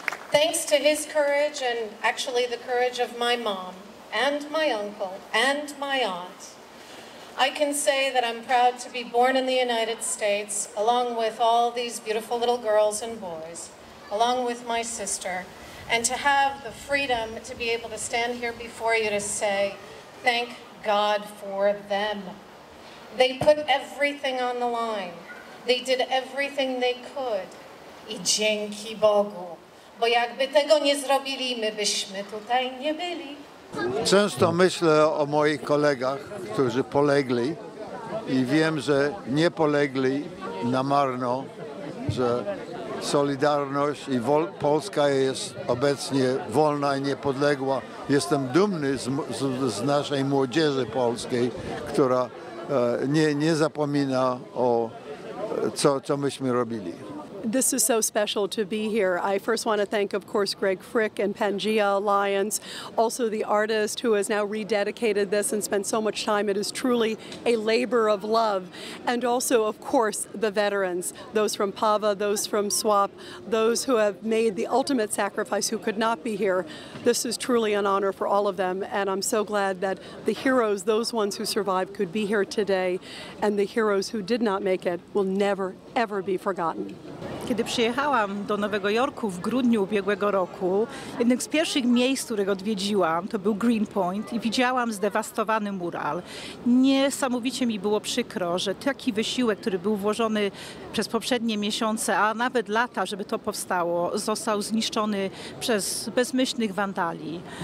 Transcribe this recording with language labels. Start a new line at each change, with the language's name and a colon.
English: Thanks to his courage, and actually the courage of my mom, and my uncle, and my aunt, I can say that I'm proud to be born in the United States, along with all these beautiful little girls and boys, along with my sister, and to have the freedom to be able to stand here before you to say, thank God for them. They put everything on the line. They did everything they could.
Polish: I dzięki Bogu. Bo jakby tego nie zrobili, my byśmy tutaj nie byli. Często myślę o moich kolegach, którzy polegli, i wiem, że nie polegli na marno, że Solidarność i Polska jest obecnie wolna i niepodległa. Jestem dumny z naszej młodzieży polskiej, która nie zapomina o co myśmy robili.
English: This is so special to be here. I first want to thank, of course, Greg Frick and Pangea Alliance, also the artist who has now rededicated this and spent so much time. It is truly a labor of love. And also, of course, the veterans, those from PAWA, those from SWAP, those who have made the ultimate sacrifice who could not be here. This is truly an honor for all of them. And I'm so glad that the heroes, those ones who survived, could be here today, and the heroes who did not make it will never, ever be forgotten.
Polish: Kiedy przyjechałam do Nowego Jorku w grudniu ubiegłego roku, jednym z pierwszych miejsc, które odwiedziłam, to był Greenpoint i widziałam zdewastowany mural. Niesamowicie mi było przykro, że taki wysiłek, który był włożony przez poprzednie miesiące, a nawet lata, żeby to powstało, został zniszczony przez bezmyślnych wandali.